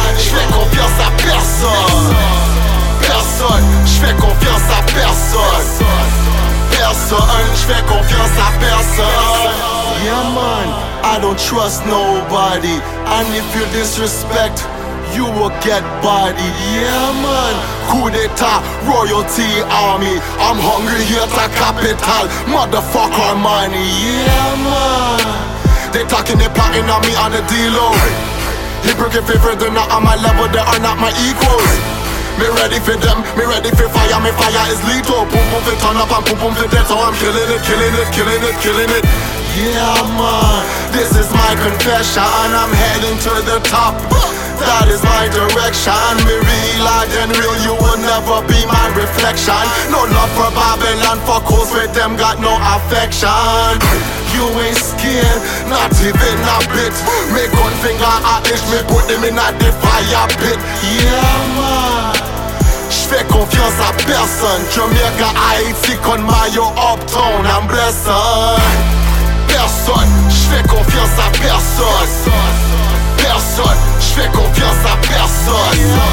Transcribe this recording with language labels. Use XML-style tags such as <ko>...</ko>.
<fr>J'fais confiance à personne. Personne. J'fais confiance à personne. Personne. J'fais confiance à personne.</fr> <en>Yeah man, I don't trust nobody. And if you disrespect, you will get bodied. Yeah man, coup d'état, royalty army. I'm hungry here to capital, motherfucker money. Yeah man, they talking, they plotting on me on the D-Lo. He broke your favorite, they're not on my level, they are not my equals. Me ready for them, me ready for fire, me fire is lethal. Boom boom for turn up and boom boom for death. So I'm killing it, killing it, killing it, killing it. Yeah man, this is my confession and I'm heading to the top. That is my direction. Me real, hard and real, you will never be my reflection. No love for Babylon, fuck hoes with them, got no affection. You ain't scared, not even a bit. Me gun finger a itch, me put them in a the fire pit.</en> <fr>Yeah man, j'fais confiance à personne.</fr> <en>Jamaica, Haiti, con Mayo, uptown, I'm blessed.</en> <fr>Personne, j'fais confiance à personne. Personne, j'fais confiance à personne.</fr>